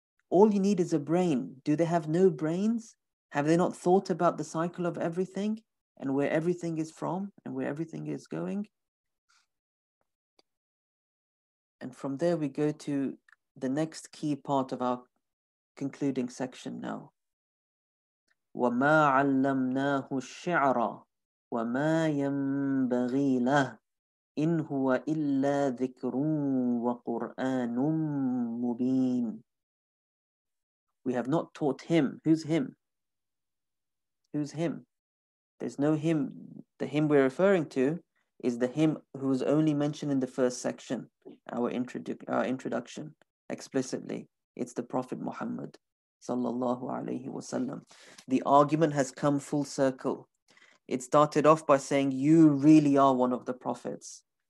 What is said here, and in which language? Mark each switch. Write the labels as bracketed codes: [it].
[en] All you need is a brain. Do they have no brains? Have they not thought about the cycle of everything and where everything is from and where everything is going? And from there, we go to the next key part of our concluding section now. [ar] وَمَا عَلَّمْنَاهُ الشِّعْرَ وَمَا يَنْبَغِي لَهُ إِنْ هُوَ إِلَّا ذِكْرٌ وَقُرْآنٌ مُبِينٌ [en] We have not taught him. Who's him? Who's him? There's no him. The him we're referring to is the him who was only mentioned in the first section, our introduction, explicitly. It's the Prophet Muhammad, sallallahu alayhi wa sallam. The argument has come full circle. It started off by saying, you really are one of the prophets.